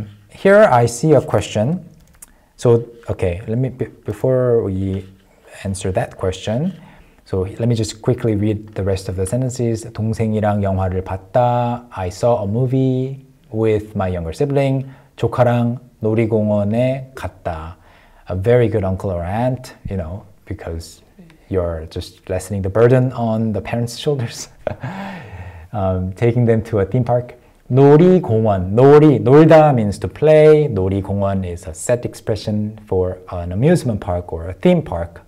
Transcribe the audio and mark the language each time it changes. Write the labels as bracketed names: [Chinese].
[English] Here I see a question. So, okay, let me, before we answer that question, so let me just quickly read the rest of the sentences. [Korean] 동생이랑 영화를 봤다. [English] I saw a movie with my younger sibling. [Korean] 조카랑 놀이공원에 갔다. [English] A very good uncle or aunt, you know, because you're just lessening the burden on the parents' shoulders. taking them to a theme park. 놀이공원. 놀이, 놀다 means to play. 놀이공원 is a set expression for an amusement park or a theme park.